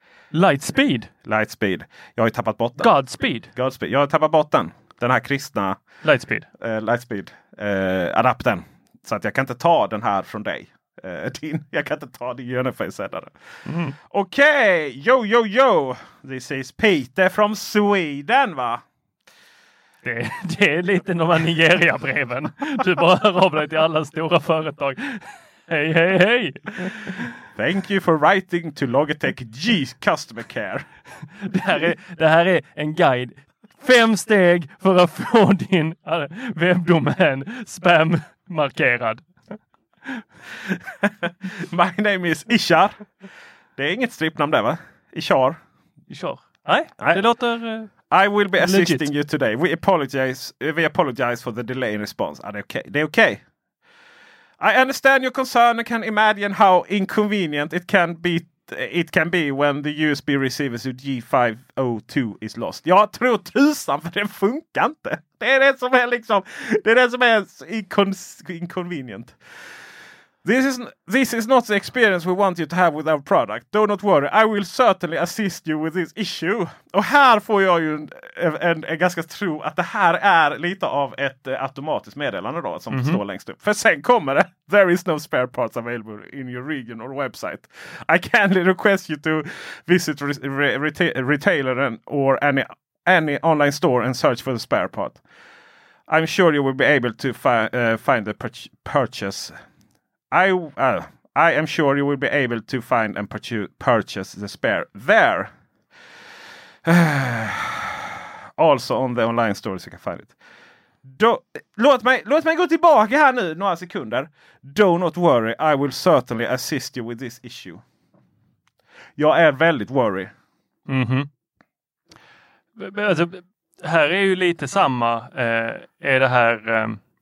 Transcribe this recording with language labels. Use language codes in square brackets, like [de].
[en] Lightspeed. [sv] Jag har ju tappat bort den. [en] Godspeed. [sv] Jag har tappat bort den. Den här kristna Lightspeed-adaptern. Så att jag kan inte ta den här från dig. Jag kan inte ta din Unify-sändare. Okej, okay. [en] yo, this is Peter from Sweden, va? [sv] Det är lite de här Nigeria-breven. Du bara hör av dig till alla stora företag. Hej, hej, hej! [en] Thank you for writing to Logitech G Customer Care. [sv] Det här är en guide. 5 steg för att få din webbdomän spam-markerad. [en] My name is Ishar. [sv] Det är inget strippnamn där, va? Ishar. Ishar. Nej, det låter... [en] I will be assisting legit. You today. We apologize for the delay in response. Are they okay? They okay? I understand your concern and can imagine how inconvenient it can be when the USB receiver to G502 is lost. [sv] Jag tror tusan för det funkar inte. Det är det som är inconvenient. [en] This is not the experience we want you to have with our product. Do not worry, I will certainly assist you with this issue. [sv] Och här får jag ju en ganska tro att det här är lite av ett automatiskt meddelande då, som står längst upp. För sen kommer det. [en] There is no spare parts available in your region or website. I kindly request you to visit retailer or any online store and search for the spare part. I'm sure you will be able to find the purchase. I am sure you will be able to find and purchase the spare there. Also on the online store you can find it. [sv] Låt mig gå tillbaka här nu några sekunder. [en] Do not worry, I will certainly assist you with this issue. [sv] Jag är väldigt worried. Alltså, här är ju lite samma. Är det här...